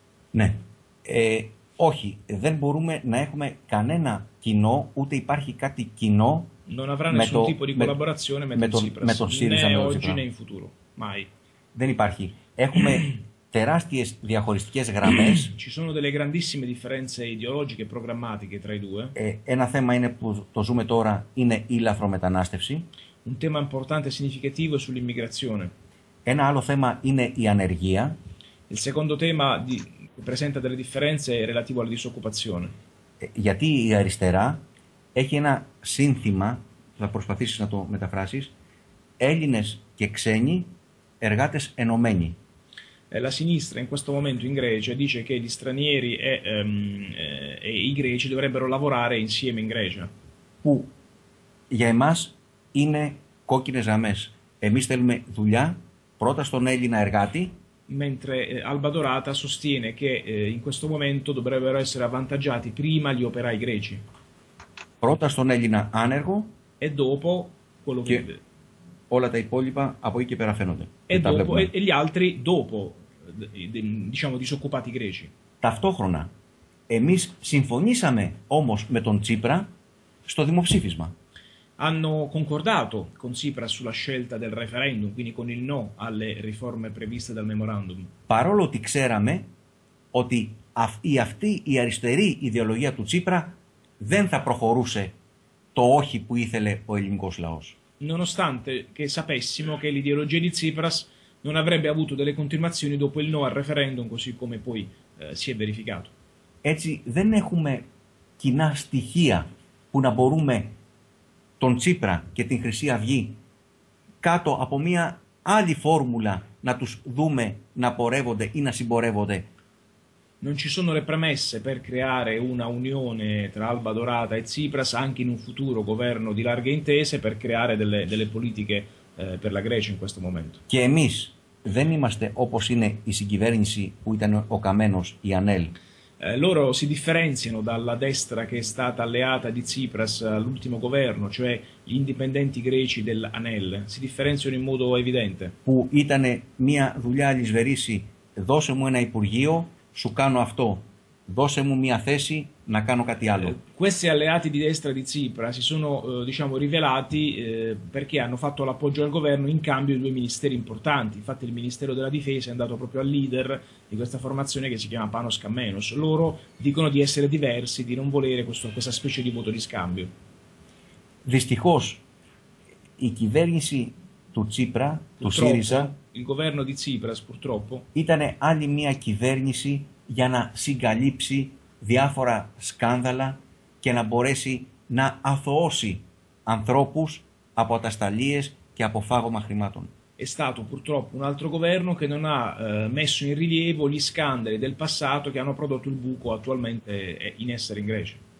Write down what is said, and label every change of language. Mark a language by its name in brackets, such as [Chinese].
[Greek] Ναι, όχι, δεν μπορούμε να έχουμε κανένα κοινό, ούτε υπάρχει κάτι κοινό με τον ΣΥΡΙΖΑ, ναι, όχι, ναι, [Italian] in futuro, mai. [Greek] Δεν υπάρχει. Έχουμε τεράστιες διαχωριστικές γραμμές. [Italian] Ci sono delle grandissime differenze ideologiche e programmatiche tra i due. [Greek] Ένα θέμα είναι που το ζούμε τώρα είναι η λαθρομετανάστευση. [Italian] Un tema importante e significativo è sull'immigrazione. [Greek] Ένα άλλο θέμα είναι η ανεργία. [Italian] Il secondo tema che presenta delle differenze è relativo alla disoccupazione. [Greek] Γιατί η αριστερά έχει ένα σύνθημα, θα προσπαθήσεις να το μεταφράσεις, Έλληνες και ξένοι, εργάτες ενωμένοι. [Italian] La sinistra in questo momento in Grecia dice che gli stranieri e i greci dovrebbero lavorare insieme in Grecia. [Greek] Που για εμάς είναι κόκκινες γραμμές. Εμείς θέλουμε δουλειά πρώτα στον Έλληνα εργάτη. [Italian] Mentre Alba Dorata sostiene che in questo momento dovrebbero essere avvantaggiati prima gli operai greci. [Greek] Πρώτα στον Έλληνα άνεργο. [Italian] E dopo quello che vive. [Greek] Όλα τα υπόλοιπα από εκεί και πέρα φαίνονται. [Italian] E gli altri dopo, diciamo, disoccupati greci. [Greek] Ταυτόχρονα, εμείς συμφωνήσαμε όμως με τον Τσίπρα στο δημοψήφισμα. [Italian] hanno concordato con Tsipras sulla scelta del referendum, quindi con il no alle riforme previste dal memorandum. [Greek] Parolo ti xerame oti αυτή η αριστερή ιδεολογία του Τσίπρα δεν θα προχωρούσε το όχι που ήθελε ο ελληνικός λαός. [Italian] Nonostante che sapessimo che l'ideologia di Tsipras non avrebbe avuto delle continuazioni dopo il no al referendum, così come poi si è verificato. [Greek] Έτσι δεν έχουμε κοινά στοιχεία που να μπορούμε τον Τσίπρα και την Χρυσή Αυγή κάτω από μια άλλη φόρμουλα να τους δούμε να πορεύονται ή να συμπορεύονται. [Italian] Non ci sono le premesse per creare una unione tra Alba Dorata e Tsipras anche in un futuro governo di larghe intese per creare delle politiche per la Grecia in questo momento. [Greek] Και εμείς δεν είμαστε όπως είναι η συγκυβέρνηση που ήταν ο Καμένος, η ΑΝΕΛ. [Italian] Loro si differenziano dalla destra che è stata alleata di Tsipras all'ultimo governo, cioè gli indipendenti greci dell'ANEL. Si differenziano in modo evidente. [Greek] Που ήταν μια δουλειά λησβερίσι, δώσε μου ένα υπουργείο, σου κάνω αυτό. Δώσε μου μια θέση να κάνω κάτι άλλο. [Italian] Questi alleati di destra di Tsipras si sono, diciamo, rivelati perché hanno fatto l'appoggio al governo in cambio di due ministeri importanti. Infatti il Ministero della Difesa è andato proprio al leader di questa formazione che si chiama Panos Kamenos. Loro dicono di essere diversi, di non volere questa specie di voto di scambio. [Greek] Δυστυχώς, η κυβέρνηση του Τσίπρα, του ΣΥΡΙΖΑ, [Italian] il governo di Tsipras, purtroppo, [Greek] ήταν άλλη μια κυβέρνηση για να συγκαλύψει διάφορα σκάνδαλα και να μπορέσει να αθωώσει ανθρώπους από ατασταλίες και από φάγωμα χρημάτων. [Italian] È stato purtroppo un altro governo che non ha messo in rilievo gli scandali del passato che hanno prodotto il buco attualmente in essere in Grecia.